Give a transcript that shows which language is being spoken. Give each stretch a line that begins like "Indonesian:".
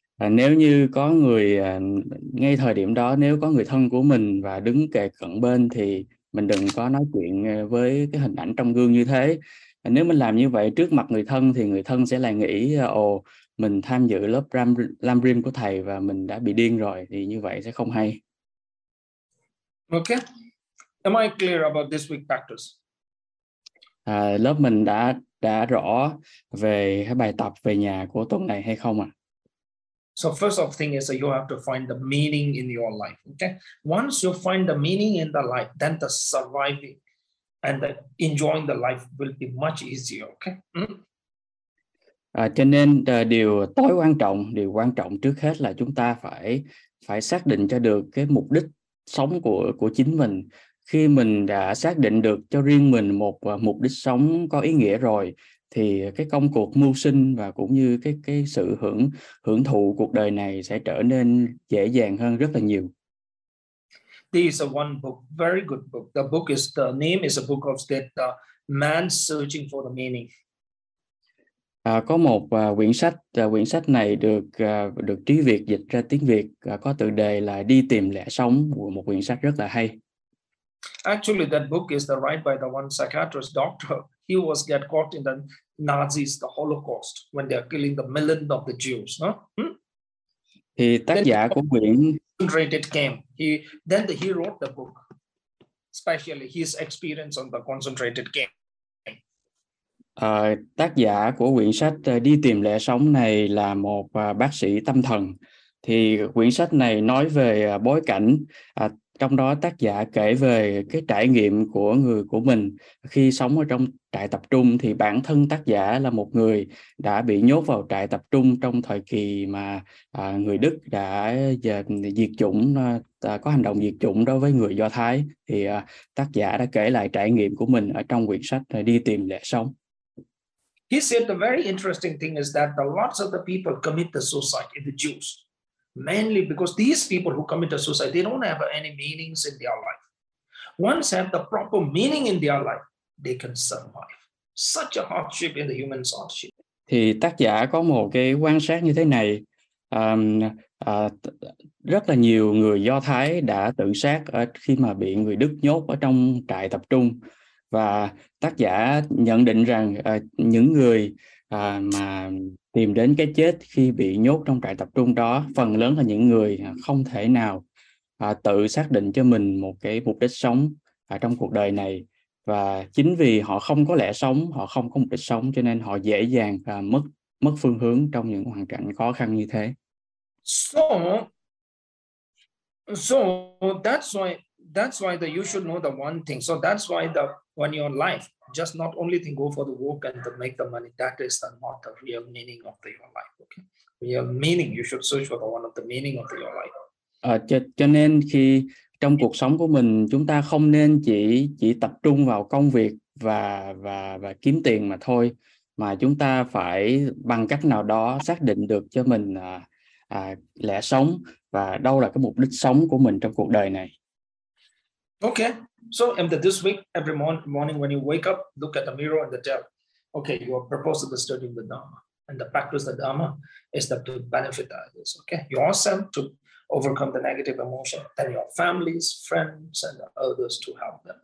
Vietnamese: Nếu như có người ngay thời điểm đó, nếu có người thân của mình và đứng kề cận bên thì mình đừng có nói chuyện với cái hình ảnh trong gương như thế. Nếu mình làm như vậy trước mặt người thân thì người thân sẽ lại nghĩ ồ, mình tham dự lớp Lamrim của thầy và mình đã bị điên rồi, thì như vậy sẽ không hay.
English: Okay. Am I clear about this week's practice?
Vietnamese: Lớp mình đã rõ về cái bài tập về nhà của tuần này hay không ạ?
English: So first of thing is that you have to find the meaning in your life. Okay. Once you find the meaning in the life, then the surviving and the enjoying the life will be much easier. Okay.
Vietnamese: Cho nên điều tối quan trọng, điều quan trọng trước hết là chúng ta phải xác định cho được cái mục đích sống của chính mình. Khi mình đã xác định được cho riêng mình một mục đích sống có ý nghĩa rồi, thì cái công cuộc mưu sinh và cũng như cái sự hưởng thụ cuộc đời này sẽ trở nên dễ dàng hơn rất là nhiều.
English: This is a one book, very good book. The book is, the name is a book of that man searching for the meaning.
Vietnamese: Có một quyển sách này được Trí Việt dịch ra tiếng Việt, có tựa đề là Đi tìm lẽ sống, của một quyển sách rất là hay.
English: Actually, that book is the write by the one psychiatrist doctor. He was get caught in the Nazis, the Holocaust, when they are killing the millions of the Jews. No?
Vietnamese: Thì tác giả của quyển
English: concentrated camp. He wrote the book, especially his experience on the concentrated camp.
Vietnamese: Tác giả của quyển sách Đi tìm lẽ sống này là một bác sĩ tâm thần. Thì quyển sách này nói về bối cảnh. Trong đó tác giả kể về cái trải nghiệm của người của mình khi sống ở trong trại tập trung, thì bản thân tác giả là một người đã bị nhốt vào trại tập trung trong thời kỳ mà người Đức đã diệt chủng, có hành động diệt chủng đối với người Do Thái. Thì tác giả đã kể lại trải nghiệm của mình ở trong quyển sách Đi tìm lẽ sống.
English: He said the very interesting thing is that the lots of the people commit the suicide in the Jews. Mainly because these people who commit a suicide, they don't have any meanings in their life. Once have the proper meaning in their life, they can survive. Such a hardship in the human hardship.
Vietnamese: Thì tác giả có một cái quan sát như thế này. Rất là nhiều người Do Thái đã tự sát khi mà bị người Đức nhốt ở trong trại tập trung. Và tác giả nhận định rằng những người mà tìm đến cái chết khi bị nhốt trong trại tập trung đó, phần lớn là những người không thể nào tự xác định cho mình một cái mục đích sống trong cuộc đời này. Và chính vì họ không có lẽ sống, họ không có mục đích sống, cho nên họ dễ dàng mất phương hướng trong những hoàn cảnh khó khăn như thế.
English: So that's why you should know the one thing. So that's why the when your life just not only think go for the work and to make the money, that is the not the real meaning of the, your life. Okay, real meaning you should search for the one of the meaning of the, your life.
Vietnamese: Cho nên khi trong cuộc sống của mình, chúng ta không nên chỉ tập trung vào công việc và kiếm tiền mà thôi, mà chúng ta phải bằng cách nào đó xác định được cho mình lẽ sống và đâu là cái mục đích sống của mình trong cuộc đời này.
English: Okay. So in the, this week, every morning when you wake up, look at the mirror and tell, okay, you are purpose of the studying the Dharma. And the practice of the Dharma is that to benefit others. Okay. Yourself to overcome the negative emotion, then your families, friends, and others to help them.